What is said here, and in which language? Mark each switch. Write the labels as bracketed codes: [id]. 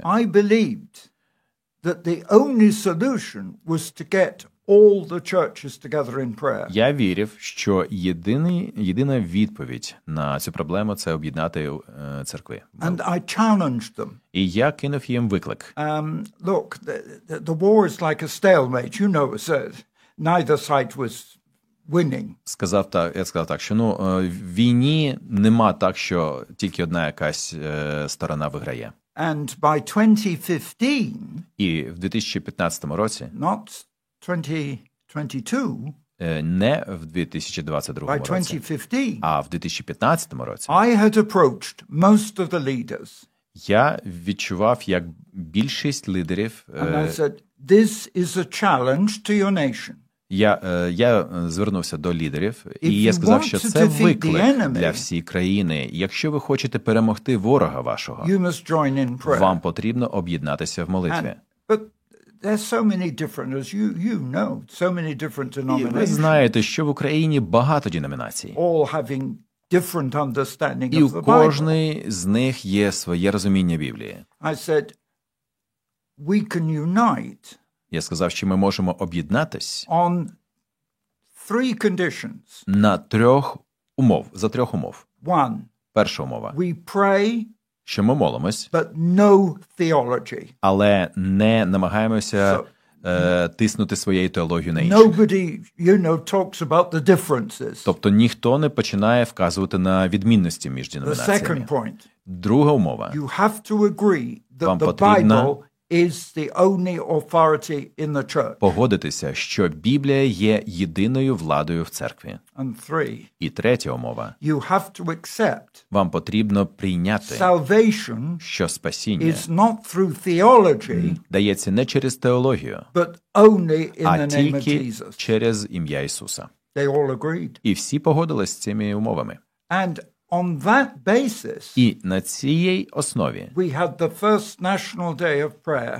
[en] I believed that the only solution was to get all the churches together in prayer. [uk] Я вірив, що єдина відповідь на цю проблему це об'єднати церкви. [en] And I challenged them. [uk] І я кинув їм виклик. [en] Look, the war is like a stalemate, you know, said. Neither side was winning. [uk] Сказав так, я сказав так, що ну, в війні нема так, що тільки одна якась сторона виграє. [en] And by 2015, [uk] і в 2015 році, [en] not 2022. [uk] Не в 2022 році. [en] By 2015. [uk] А в 2015 році. [en] I had approached most of the leaders. [uk] Я відчував, як більшість лідерів. [en] And I said, this is a challenge to your nation. [uk] Я звернувся до лідерів, і [en] if [uk] я сказав, що це виклик [en] enemy, [uk] для всієї країни. Якщо ви хочете перемогти ворога вашого, [en] you must join in prayer. [uk] Вам потрібно об'єднатися в молитві. [en] There's so many different, as you know, so many different denominations. [uk] Ви знаєте, що в Україні багато деномінацій. [en] All having different understanding of the Bible. [uk] І у кожній з них є своє розуміння Біблії. [en] I said, we can unite. [uk] Я сказав, що ми можемо об'єднатись. [en] On three conditions. [uk] На трьох умов, за трьох умов. [en] One. [uk] Перша умова. [en] We pray. [uk] Що ми молимось, [en] but no theology. [uk] Але не намагаємося тиснути своєю теологією на інших. [en] Nobody, you know, talks about the differences. [uk] Тобто ніхто не починає вказувати на відмінності між деномінаціями. [en] The second point. [uk] Друга умова. [en] You have to agree that the Bible is the only authority in the church. [uk] Погодитися, що Біблія є єдиною владою в церкві. [en] And three. [uk] І третя умова. [en] You have to accept. [uk] Вам потрібно прийняти. [en] Salvation, [uk] що спасіння [en] is not through theology, [uk] дається не через теологію, [en] but only in the name of [uk] Jesus. Через ім'я Ісуса. [en] They all agreed. [uk] І всі погодились з цими умовами. [en] And on that basis, [uk] і на цій основі, [en] we had the first National Day of Prayer.